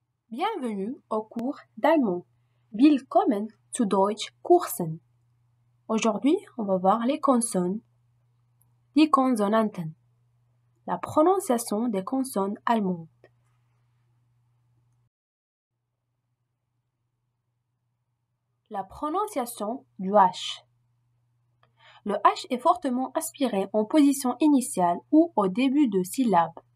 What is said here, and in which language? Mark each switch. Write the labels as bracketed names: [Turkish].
[French] Bienvenue au cours d'allemand. [German] Willkommen zu Deutschkursen. [French] Aujourd'hui, on va voir les consonnes. [German] Die Konsonanten. [French] La prononciation des consonnes allemandes. La prononciation du H. Le H est fortement aspiré en position initiale ou au début de syllabe.